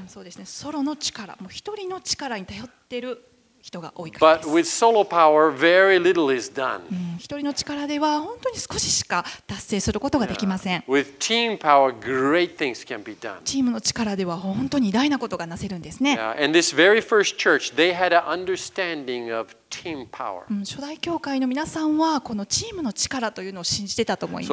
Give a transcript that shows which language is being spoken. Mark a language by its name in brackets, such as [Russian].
[Japanese] そうですね、ソロの力、もう一人の力に頼っている人が多いからです。 [English] But with solo power, very little is done. [Japanese] 一人の力では本当に少ししか達成することができません。 [English] Yeah. With team power, great things can be done. [Japanese] チームの力では本当に偉大なことがなせるんですね。 [English] Yeah. And this very first church, they had an understanding of team power. [Japanese] 初代教会の皆さんはこのチームの力というのを信じてたと思います。